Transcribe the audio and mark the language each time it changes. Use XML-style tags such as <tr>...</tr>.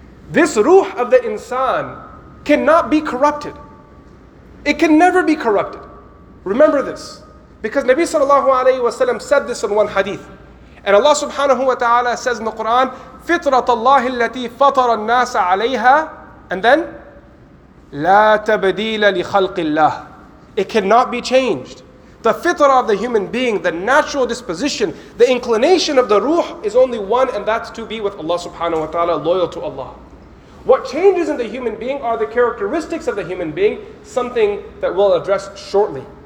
<en>This ruh of the insan cannot be corrupted. It can never be corrupted. Remember this. Because Nabi sallallahu alayhi wa sallam said this in one hadith. And Allah subhanahu wa ta'ala says in the Quran,</en> <ar>فِطْرَةَ اللَّهِ الَّتِي فَطَرَ النَّاسَ عَلَيْهَا.</ar> <en>And then,</en> <ar>لَا تَبَدِيلَ لِخَلْقِ اللَّهِ.</ar> <en>It cannot be changed. The fitra of the human being, the natural disposition, the inclination of the ruh is only one, and that's to be with Allah subhanahu wa ta'ala, loyal to Allah. What changes in the human being are the characteristics of the human being, something that we'll address shortly.</en>